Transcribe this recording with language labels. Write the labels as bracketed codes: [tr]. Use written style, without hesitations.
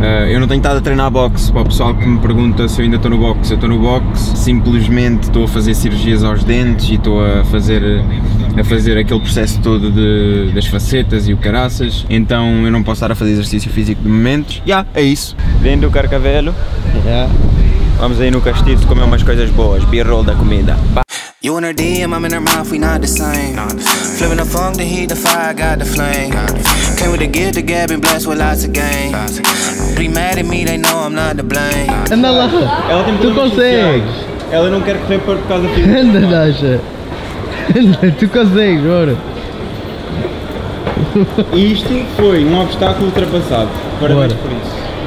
[pt] Eu não tenho estado a treinar boxe, para o pessoal que me pergunta se eu ainda estou no boxe, eu estou no boxe, simplesmente estou a fazer cirurgias aos dentes e estou a fazer aquele processo todo das facetas e o caraças, então eu não posso estar a fazer exercício físico de momentos. Já, yeah, é isso. Vendo o carcavelo. Yeah. Vamos aí no castiço comer umas coisas boas, B-roll da comida. [en] You and her DM, I'm in her mouth, we not the same. Flipping the funk, the heat, the fire, got the flame. Came with the gift, the gab, been blessed with lots of game. Be mad at me, they know I'm not to blame. [pt] Anda lá, ela tem tu consegues. Ela não quer correr por causa do filho. Anda, Dasha. Tu consegues, bora. Isto foi um obstáculo ultrapassado. Parabéns bora. Por isso.